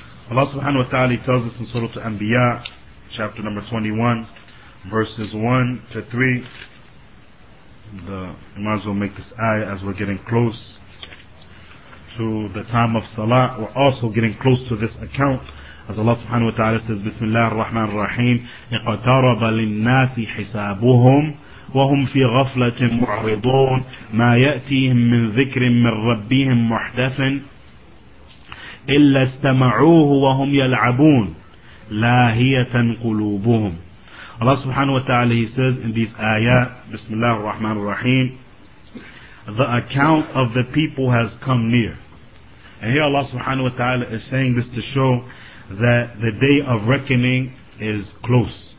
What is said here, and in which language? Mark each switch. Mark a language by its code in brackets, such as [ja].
[en] Allah subhanahu wa ta'ala tells us in Surah Al-Anbiya, chapter number 21, verses 1 to 3. You might as well make this ayah as we're getting close to the time of Salah. We're also getting close to this account. As Allah subhanahu wa ta'ala says, [ar] Bismillah ar-Rahman ar-Rahim, اِقْتَرَبَ لِلنَّاسِ حِسَابُهُمْ وَهُمْ فِي غَفْلَةٍ مُعْرِضُونَ مَا يَأْتِيهِمْ مِنْ ذِكْرٍ مِنْ رَبِّهِمْ مُحْدَثٍ إِلَّا اسْتَمَعُوهُ وَهُمْ يَلْعَبُونَ لَاهِيَةً قُلُوبُهُمْ. [en] Allah subhanahu wa ta'ala, He says in these ayat, Bismillah ar-Rahman ar-Rahim, the account of the people has come near. And here Allah subhanahu wa ta'ala is saying this to show that the day of reckoning is close.